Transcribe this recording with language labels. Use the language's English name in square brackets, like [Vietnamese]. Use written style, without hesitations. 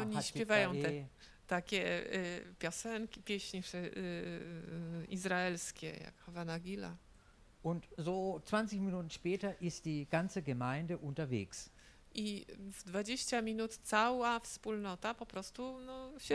[Polish] Oni śpiewają te takie piosenki, pieśni izraelskie, jak Havana Gila. [German] Und so 20 Minuten später ist die ganze Gemeinde unterwegs. [Polish] I w 20 minut cała wspólnota po prostu no, się